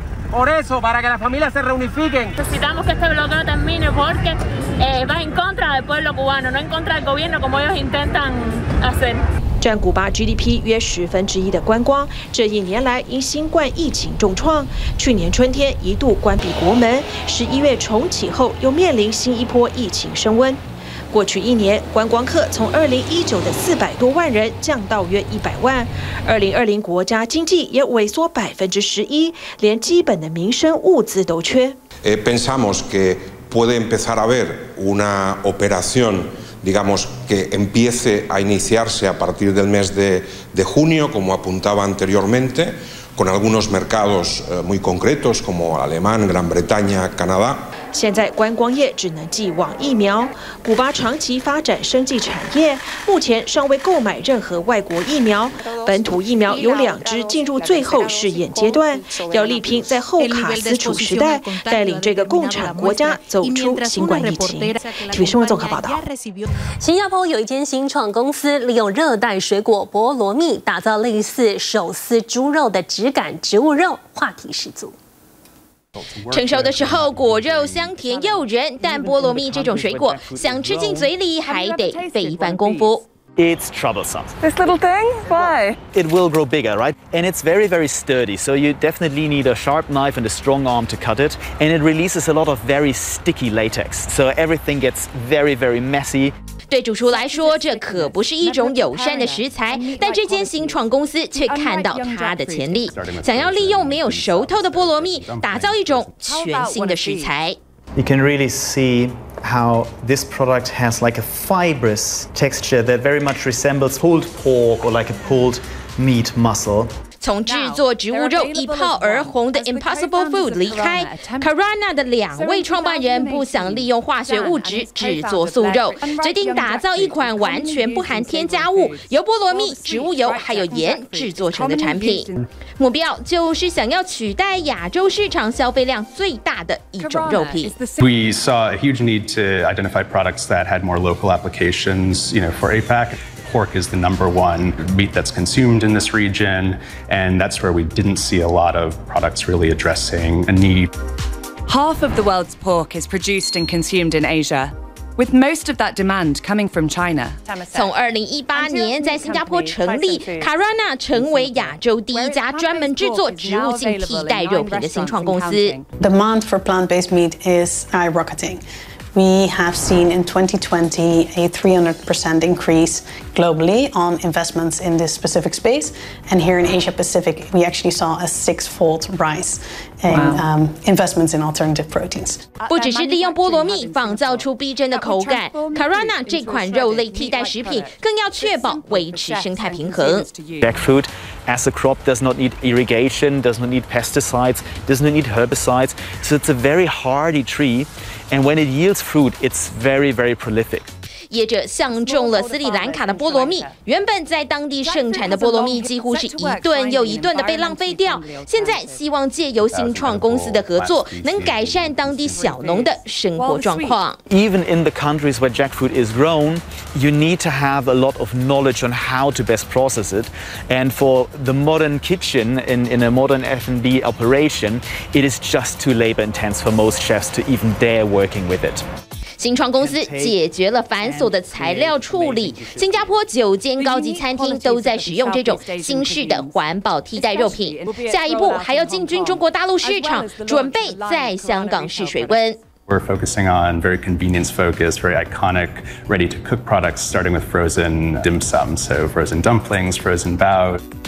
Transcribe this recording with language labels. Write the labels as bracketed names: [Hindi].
[Spanish] Por eso, para que las familias se reunifiquen. Necesitamos que este bloqueo termine porque va en contra del pueblo cubano, no en contra del gobierno como ellos intentan hacer. [Chinese] 占古巴 GDP 约十分之一的观光，这一年来因新冠疫情重创，去年春天一度关闭国门，十一月重启后又面临新一波疫情升温。过去一年，观光客从2019的400多万人降到约100万。 2020国家经济也萎缩11%，连基本的民生物资都缺。 [Spanish] Pensamos que puede empezar a haber una operación, digamos, que empiece a iniciarse a partir del mes de junio, como apuntaba anteriormente, con algunos mercados muy concretos como Alemán, Gran Bretaña, Canadá. [Chinese] 现在观光业只能寄望疫苗，古巴长期发展生技产业，目前尚未购买任何外国疫苗，本土疫苗有两支进入最后试验阶段，要力拼在后卡斯楚时代带领这个共产国家走出新冠疫情。体育新闻综合报道。新加坡有一间新创公司利用热带水果菠萝蜜打造类似手撕猪肉的质感植物肉，话题十足。成熟的时候果肉香甜诱人，但菠萝蜜这种水果想吃进嘴里还得费一番功夫。 [English] It's troublesome. This little thing? Why? It will grow bigger, right? And it's very, very sturdy. So you definitely need a sharp knife and a strong arm to cut it. And it releases a lot of very sticky latex. So everything gets very, very messy. [Chinese] 对主厨来说，这可不是一种友善的食材。但这间新创公司却看到它的潜力，想要利用没有熟透的菠萝蜜，打造一种全新的食材。 [English] You can really see. How this product has like a fibrous texture that very much resembles pulled pork or like a pulled meat muscle. [Chinese] 从制作植物肉一炮而红的 Impossible Food 离开 ，Carana 的两位创办人不想利用化学物质制作素肉，决定打造一款完全不含添加物、由菠萝蜜、植物油还有盐制作成的产品。目标就是想要取代亚洲市场消费量最大的一种肉品。 [English] We saw a huge need to identify products that had more local applications, you know, for APAC. Pork is the number one meat that's consumed in this region, and that's where we didn't see a lot of products really addressing a need. Half of the world's pork is produced and consumed in Asia. With most of that demand coming from China. [Chinese] 从2018年在新加坡成立 ，Carana 成为亚洲第一家专门制作植物性替代肉品的新创公司。 [English] Demand for plant-based meat is skyrocketing. We have seen in 2020 a 300% increase globally on investments in this specific space. And here in Asia Pacific, we actually saw a six-fold rise. Investments in alternative proteins. [Chinese] 不只是利用菠萝蜜仿造出逼真的口感 ，Carana 这款肉类替代食品更要确保维持生态平衡。 [English] Jackfruit, as a crop, does not need irrigation, does not need pesticides, does not need herbicides, so it's a very hardy tree, and when it yields fruit, it's very, very prolific. [Chinese] 业者相中了斯里兰卡的菠萝蜜，原本在当地盛产的菠萝蜜几乎是一顿又一顿的被浪费掉，现在希望借由新创公司的合作，能改善当地小农的生活状况。 [English] Even in the countries where jackfruit is grown, you need to have a lot of knowledge on how to best process it. And for the modern kitchen in a modern F&B operation, it is just too labor intense for most chefs to even dare working with it. [Chinese] 新创公司解决了繁琐的材料处理，新加坡九间高级餐厅都在使用这种新式的环保替代肉品，下一步还要进军中国大陆市场，准备在香港试水温。 [English] We're focusing on very convenience-focused, very iconic, ready-to-cook products, starting with frozen dim sum, so frozen dumplings, frozen bao.